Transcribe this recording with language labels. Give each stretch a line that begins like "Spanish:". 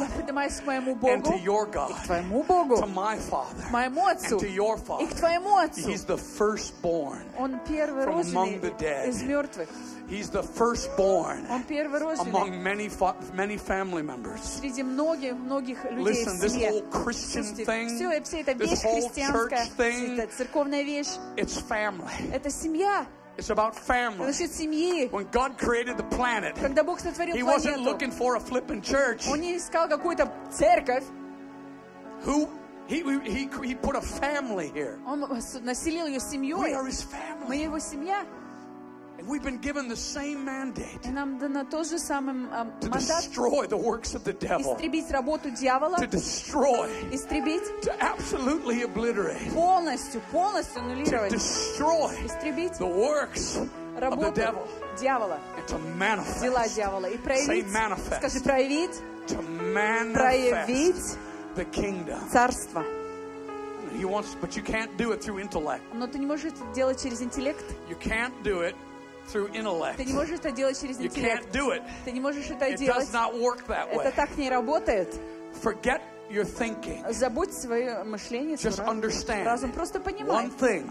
Russian: Я поднимаюсь к моему Богу.
English: And to your God.
Russian: И к твоему Богу.
English: To my Father.
Russian: К моему Отцу.
English: And to your Father.
Russian: И к твоему Отцу.
English: He's the firstborn.
Russian: Он первородный из мертвых.
English: He's the firstborn among many family members.
Russian: Среди многих, многих людей.
English: Listen, this whole Christian thing, this whole church thing, it's family.
Russian: Это семья.
English: It's about family. When God created the planet, He wasn't looking for a flipping church.
Russian: Он не искал какую-то церковь.
English: Who? He put a family here.
Russian: Он населил ее семьей.
English: We are His family.
Russian: Мы его семья.
English: And we've been given the same mandate.
Russian: Нам дано то же самое
English: мандат. To destroy the works of the devil.
Russian: Истребить работу дьявола.
English: To destroy.
Russian: Истребить.
English: To absolutely obliterate.
Russian: Полностью аннулировать.
English: To destroy.
Russian: Истребить.
English: The works of the devil.
Russian: Дьявола.
English: And to manifest.
Russian: Дела дьявола и проявить.
English: Say manifest.
Russian: Скажи проявить.
English: To manifest.
Russian: Проявить.
English: The kingdom.
Russian: Царство.
English: He wants, but you can't do it through intellect.
Russian: Но ты не можешь это делать через интеллект.
English: You can't do it. Through intellect.
Russian: Ты не можешь это делать через интеллект.
English: You can't do it.
Russian: Ты не можешь это делать.
English: It does not work that way.
Russian: Это так не работает.
English: Forget your thinking.
Russian: Забудь свое мышление.
English: Just understand.
Russian: Разум просто понимает.
English: One thing.